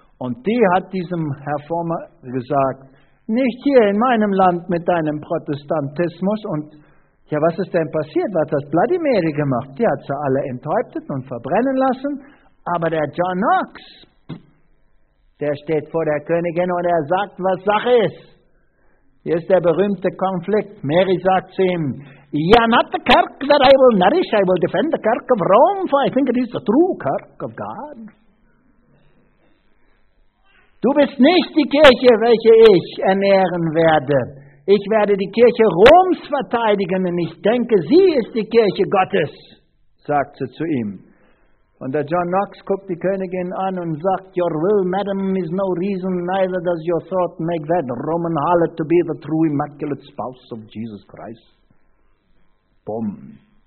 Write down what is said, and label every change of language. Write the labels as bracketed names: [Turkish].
[German] Und die hat diesem Reformer gesagt, nicht hier in meinem Land mit deinem Protestantismus. Und ja, was ist denn passiert? Was hat Bloody Mary gemacht? Die hat sie alle enthauptet und verbrennen lassen. Aber der John Knox, der steht vor der Königin und er sagt, was Sache ist. Hier ist der berühmte Konflikt. Mary sagt zu ihm, [English] "Yeah, not the Kirk that I will nourish, I will defend the Kirk of Rome, for I think it is the true Kirk of God." [German] Du bist nicht die Kirche, welche ich ernähren werde. Ich werde die Kirche Roms verteidigen, denn ich denke, sie ist die Kirche Gottes, sagt sie zu ihm. Und der John Knox guckt die Königin an und sagt, [English] "Your will, madam, is no reason, neither does your thought make that Roman harlot to be the true immaculate spouse of Jesus Christ." Bumm.